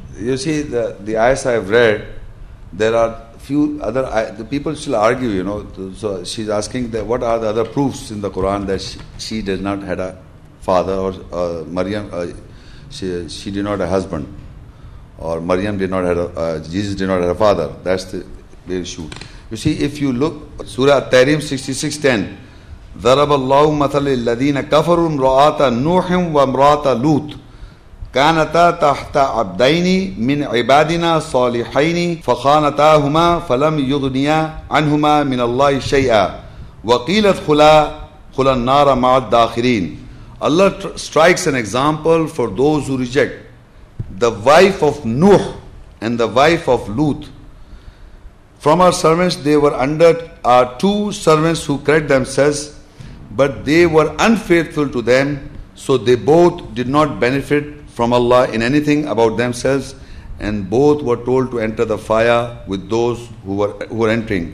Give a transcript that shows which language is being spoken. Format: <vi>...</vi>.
<en>You see, the ayahs I've read, there are few other, the people still argue, you know. So she's asking that what are the other proofs in the Quran that she does not have a father, or Maryam, she did not have a husband, or Maryam did not have Jesus did not have a father. That's the issue. You see, if you look Surah At-Tahrim 66:10,</en> <ar>ضرب الله مثل الذين كفروا امرأة نوح وامرأة لوط كانتا تحت عبدين من عبادنا صالحين فخانتاهما فلم يغنيا عنهما من الله شيئا وقيل ادخلا النار مع الداخلين.</ar> <en>Allah strikes an example for those who reject the wife of Nuh and the wife of Lut. From our servants, they were under our two servants who credit themselves, but they were unfaithful to them, so they both did not benefit from Allah in anything about themselves, and both were told to enter the fire with those who were entering.</en>